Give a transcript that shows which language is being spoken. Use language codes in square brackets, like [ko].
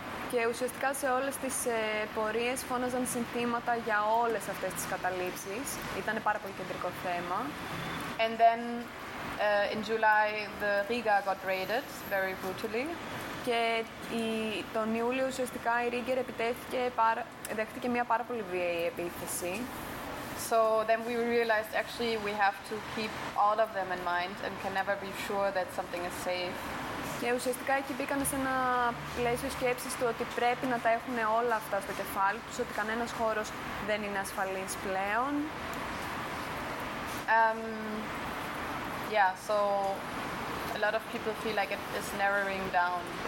[el] Και ουσιαστικά σε όλες τις πορείες φώναζαν συνθήματα για όλες αυτές τις καταλήψεις. Ήταν πάρα πολύ κεντρικό θέμα. [en] And then in July the Riga got raided very brutally. [el] Και τον Ιούλιο ουσιαστικά η Ρίγκερ επιτέθηκε, δέχτηκε μια πάρα πολύ βιαιή επίθεση. [en] So then we realized actually we have to keep all of them in mind and can never be sure that something is safe. [el] Και ουσιαστικά εκεί μπήκαν σε ένα πλαίσιο σκέψης του ότι πρέπει να τα έχουν όλα αυτά στο κεφάλι τους, ότι κανένας χώρος δεν είναι ασφαλής πλέον. [en] Yeah, so a lot of people feel like it is narrowing down.